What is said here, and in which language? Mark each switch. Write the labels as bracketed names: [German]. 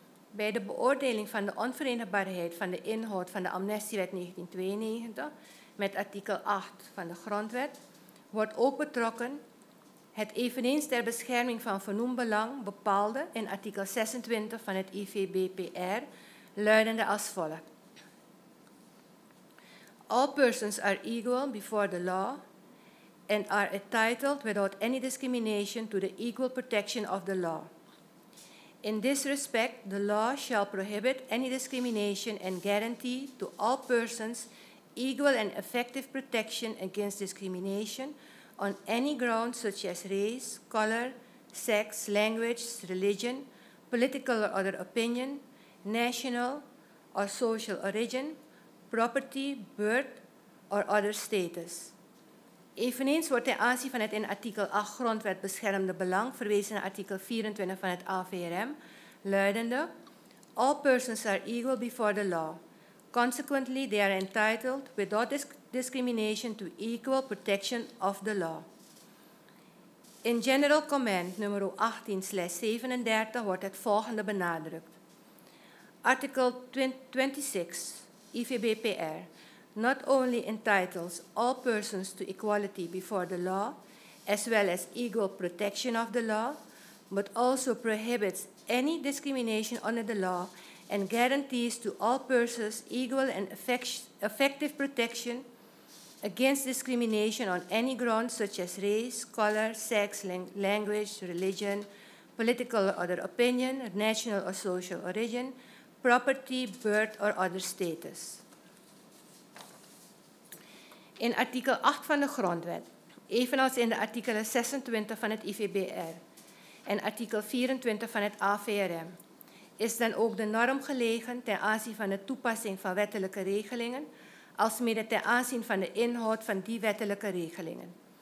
[Dutch] Bij de beoordeling van de onverenigbaarheid van de inhoud van de Amnestiewet 1992 met artikel 8 van de grondwet wordt ook betrokken het eveneens ter bescherming van vernoemd belang bepaalde in artikel 26 van het IVBPR luidende als volgt. [English] All persons are equal before the law and are entitled without any discrimination to the equal protection of the law. In this respect, the law shall prohibit any discrimination and guarantee to all persons equal and effective protection against discrimination on any ground such as race, color, sex, language, religion, political or other opinion, national or social origin, property, birth or other status. [Dutch] Eveneens wordt ten aanzien van het in artikel 8 grondwet beschermde belang verwezen naar artikel 24 van het AVRM, luidende: [English] All persons are equal before the law. Consequently, they are entitled without discrimination to equal protection of the law. [Dutch] In General Comment nummer 18/37 wordt het volgende benadrukt. Artikel 26 IVBPR. [English] Not only entitles all persons to equality before the law, as well as equal protection of the law, but also prohibits any discrimination under the law and guarantees to all persons equal and effective protection against discrimination on any ground such as race, color, sex, language, religion, political or other opinion, national or social origin, property, birth or other status. [Dutch] In artikel 8 van de grondwet, evenals in de artikelen 26 van het IVBR en artikel 24 van het AVRM, is dan ook de norm gelegen ten aanzien van de toepassing van wettelijke regelingen, alsmede ten aanzien van de inhoud van die wettelijke regelingen.